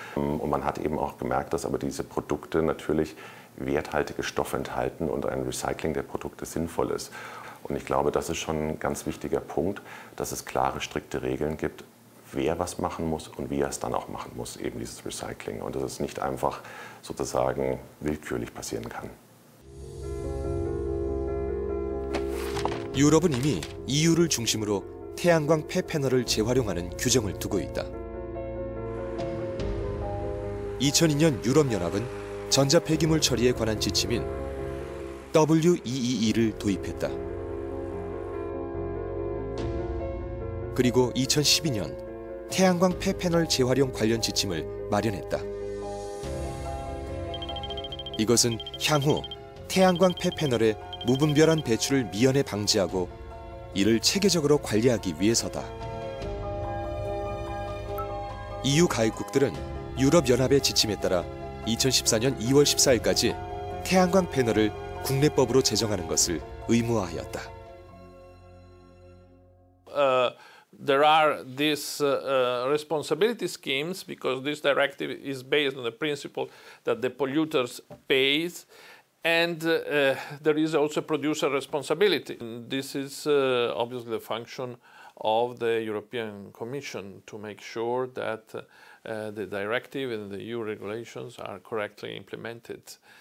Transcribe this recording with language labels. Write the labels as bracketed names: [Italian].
[German] Und man hat eben auch gemerkt, dass aber diese Produkte natürlich werthaltige Stoffe enthalten und ein Recycling der Produkte sinnvoll ist. Und ich glaube, das ist schon ein ganz wichtiger Punkt, dass es klare, strikte Regeln gibt, wer was machen muss und wie er es dann auch machen muss, eben dieses Recycling. Und dass es nicht einfach sozusagen willkürlich passieren kann. [Korean] 유럽은 이미 EU를 중심으로 태양광 폐패널을 재활용하는 규정을 두고 있다. 2002년 유럽연합은 전자폐기물 처리에 관한 지침인 WEEE를 도입했다. 그리고 2012년 태양광 폐패널 재활용 관련 지침을 마련했다. 이것은 향후 태양광 폐패널의 무분별한 배출을 미연에 방지하고 이를 체계적으로 관리하기 위해서다. EU 가입국들은 유럽연합의 지침에 따라 2014년 2월 14일까지 태양광 패널을 국내법으로 제정하는 것을 의무화하였다. [English] There are these responsibility schemes because this directive is based on the principle that the polluters pay. And there is also producer responsibility. This is obviously the function of the European Commission to make sure that the directive and the EU regulations are correctly implemented.